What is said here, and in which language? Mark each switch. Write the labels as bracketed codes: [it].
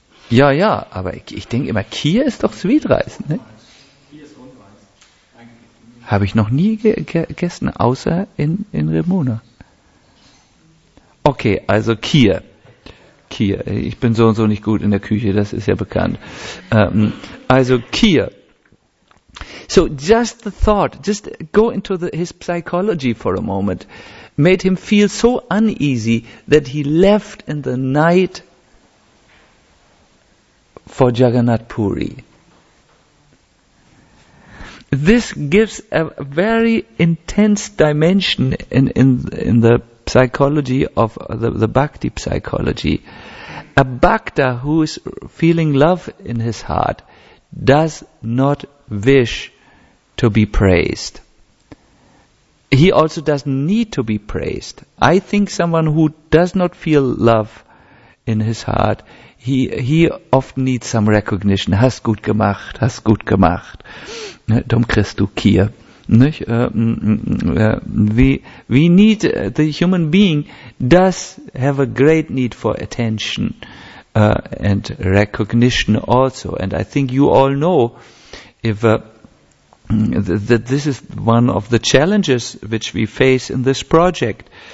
[de] Ja, ja, aber ich denke immer, Kheer ist doch Sweetreis, ne? Habe ich noch nie gegessen, außer in Remuna. Okay, also Kheer. Ich bin so und so nicht gut in der Küche, das ist ja bekannt. Also Kheer. [en] So just the thought, just go into his psychology for a moment, made him feel so uneasy that he left in the night for Jagannath Puri. This gives a very intense dimension in the psychology of the bhakti psychology. A bhakta who is feeling love in his heart does not wish to be praised. He also doesn't need to be praised. I think someone who does not feel love in his heart, he often needs some recognition. [de] Hast gut gemacht, hast gut gemacht. Dumm kriegst du Kier. [en] We need, the human being does have a great need for attention and recognition also. And I think you all know if that this is one of the challenges which we face in this project.